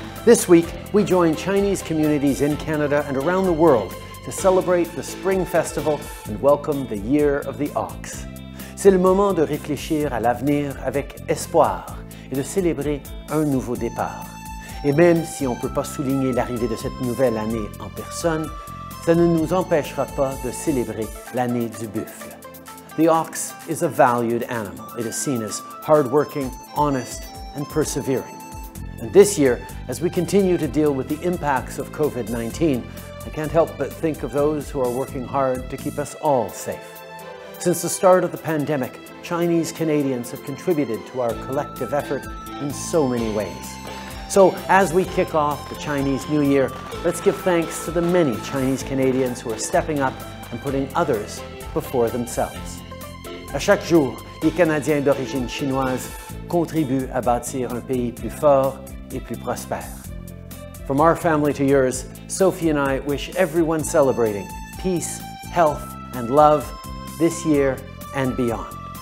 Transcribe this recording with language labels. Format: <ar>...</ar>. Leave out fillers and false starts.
<en>This week, we join Chinese communities in Canada and around the world to celebrate the Spring Festival and welcome the Year of the Ox.</en> <fr>C'est le moment de réfléchir à l'avenir avec espoir et de célébrer un nouveau départ. Et même si on ne peut pas souligner l'arrivée de cette nouvelle année en personne, ça ne nous empêchera pas de célébrer l'année du buffle.</fr> <en>The ox is a valued animal. It is seen as hardworking, honest, and persevering. And this year, as we continue to deal with the impacts of COVID-19, I can't help but think of those who are working hard to keep us all safe. Since the start of the pandemic, Chinese Canadians have contributed to our collective effort in so many ways. So as we kick off the Chinese New Year, let's give thanks to the many Chinese Canadians who are stepping up and putting others before themselves.</en> <fr>À chaque jour, les Canadiens d'origine chinoise contribuent à bâtir un pays plus fort et plus prospère.</fr> <en>From our family to yours, Sophie and I wish everyone celebrating peace, health, and love this year and beyond.</en>